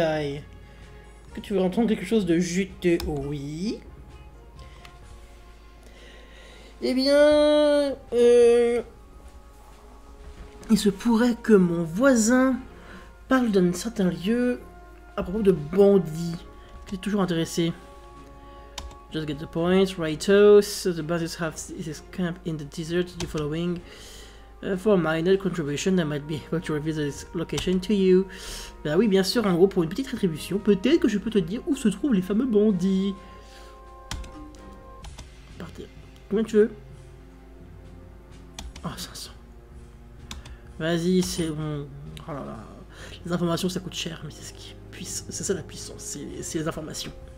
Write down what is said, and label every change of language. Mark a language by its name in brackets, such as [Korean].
[French] Est-ce que tu veux entendre quelque chose de juteux? Oui. Eh bien, il se pourrait que mon voisin parle d'un certain lieu à propos de bandits. C'est toujours intéressé. [English] Just get the point, Rytos. The bandits have this camp in the desert. You following? For a minor contribution, I might be able to reveal this location to you. [French] Ben oui, bien sûr, en gros, pour une petite rétribution, peut-être que je peux te dire où se trouvent les fameux bandits. Partir. Combien tu veux? Oh, 500. Vas-y, c'est bon. Oh là là. Les informations, ça coûte cher, mais c'est ce qui puisse. C'est ça la puissance, c'est les informations.